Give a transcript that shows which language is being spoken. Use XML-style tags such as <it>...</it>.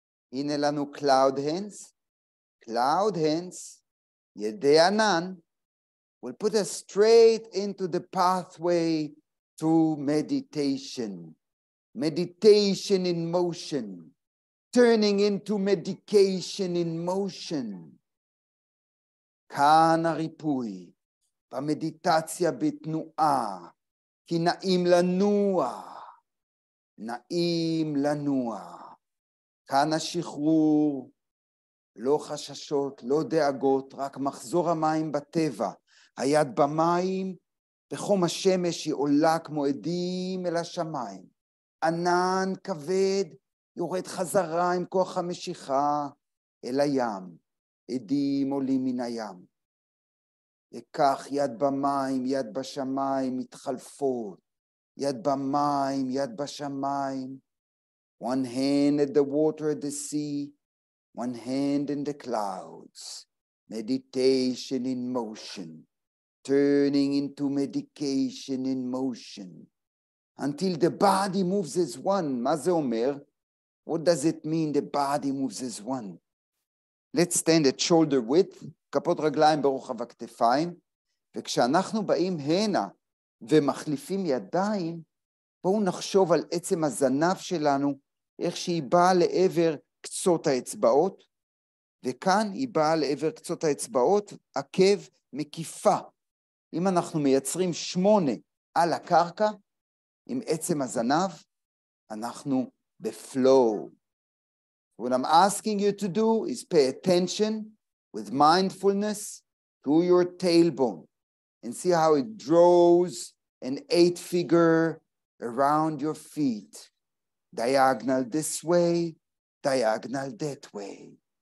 <he>Hine lanu</he> <en>cloud hands. Cloud hands.</en> <he>Yedei anan.</he> <en>We'll put us straight into the pathway to meditation. Meditation in motion. Turning into medication in motion.</en> <he>כאן הריפוי, במדיטציה בתנועה, כי נעים לנוע, נעים לנוע. כאן השחרור, לא חששות, לא דאגות, רק מחזור המים בטבע. היד במים, בחום השמש היא עולה כמו עדים אל השמיים. ענן כבד יורד חזרה עם כוח המשיכה אל הים. עדים עולים מן הים. וכך יד במים, יד בשמיים, מתחלפות. יד במים, יד בשמיים.</he> <en>One hand at the water at the sea, one hand in the clouds. Meditation in motion. Turning into medication in motion. Until the body moves as one.</en> <he>מה זה אומר?</he> <en>What does it mean the body moves as one? Let's stand at shoulder width.</en> <he>כפות רגליים ברוחב הכתפיים, וכשאנחנו באים הנה ומחליפים ידיים, בואו נחשוב על עצם הזנב שלנו, איך שהיא באה לעבר קצות האצבעות, וכאן היא באה לעבר קצות האצבעות, עקב מקיפה. אם אנחנו מייצרים 8 על הקרקע, עם עצם הזנב, אנחנו בפלואו.</he> <en>What I'm asking you to do is pay attention with mindfulness to your tailbone and see how it draws an 8 figure around your feet. Diagonal this way, diagonal that way.</en>